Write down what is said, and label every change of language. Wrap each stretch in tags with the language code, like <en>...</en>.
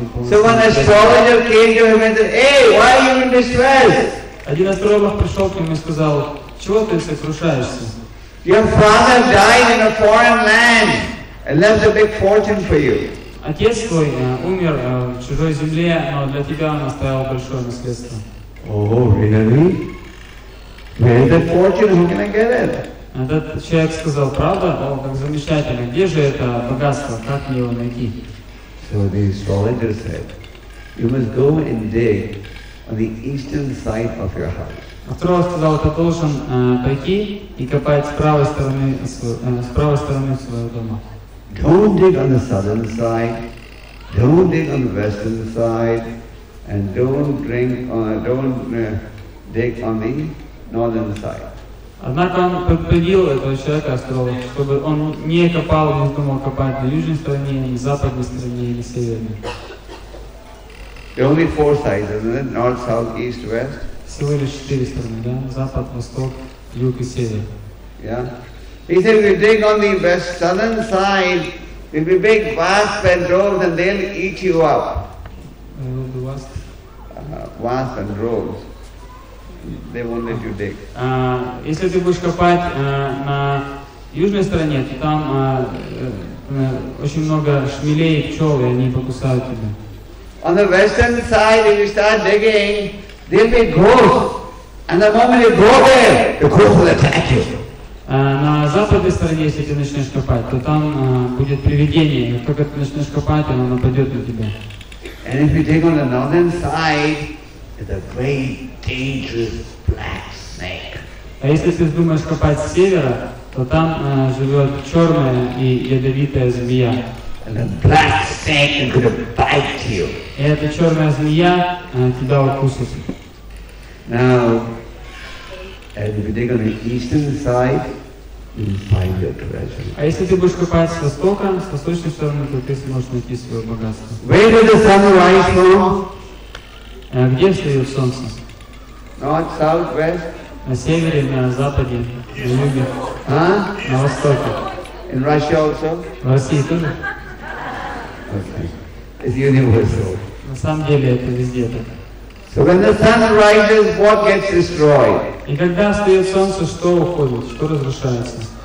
<en>So when an astrologer came to him and said, hey, why are you in distress?</en> <ru>Один астролог пришел к нему и сказал, чего ты сокрушаешься?</ru> <en>Your father died in a foreign land and left a big fortune for you.</en> <ru>Отец твой умер в чужой земле, но для тебя он оставил большое наследство.</ru> <en>Oh, really? Where is the fortune? Who can I get it?</en> <ru>Этот человек сказал, правда? О, как замечательно. Где же это богатство? Как мне его найти?</ru> <en>So the astrologer said, you must go and dig on the eastern side of your house.</en> <ru>Астролог сказал, ты должен пойти и копать с правой стороны своего дома.</ru> <en>Don't dig on the southern side, don't dig on the western side, and don't dig on the northern side.</en> <ru>Однако он предупредил этого человека, астролог, чтобы он не копал, не думал копать на южной стороне, на западной стороне или северной.</ru> <en>There are only four sides, isn't it? North, south, east, west.</en> <ru>Всего лишь четыре стороны, да? Запад, восток, юг и север.</ru> <en>Yeah. He said, if you dig on the west southern side, if you make wasps and droves, and they'll eat you up. The wasps? Wasps and droves. They won't let you dig.</en> <ru>Если ты будешь копать на южной стороне, то там очень много шмелей и пчел, и они покусают тебя.</ru> <en>On the western side, if you start digging, there'll be ghosts. And the moment you go there, the ghost will attack you.</en> <ru>На западной стороне, если ты начнешь копать, то там будет привидение. Как только ты начнешь копать, оно нападет на тебя.</ru> <en>And if you dig on the northern side, it's a great dangerous black snake.</en> <ru>А если ты думаешь копать с севера, то там живет черная и ядовитая змея.</ru> <en>And the black snake is going to bite you.</en> <ru>И эта черная змея тебя укусит.</ru> <en>Now, as if you dig on the eastern side, you'll find your treasure.</en> <ru>А если ты будешь копать с востока, с восточной стороны, то ты сможешь найти свое богатство.</ru> <en>Where does the sun rise from?</en> <ru>Где встает солнце?</ru> <en>North, south, west.</en> <ru>На севере, на западе, на юге. А? На востоке.</ru> <en>In Russia also?</en> <ru>В России тоже.</ru> <en>Okay. It's universal.</en> <ru>На самом деле это везде так.</ru> <en>So when the sun rises, what gets destroyed?</en> <ru>И когда встает солнце, что уходит, что разрушается?</ru>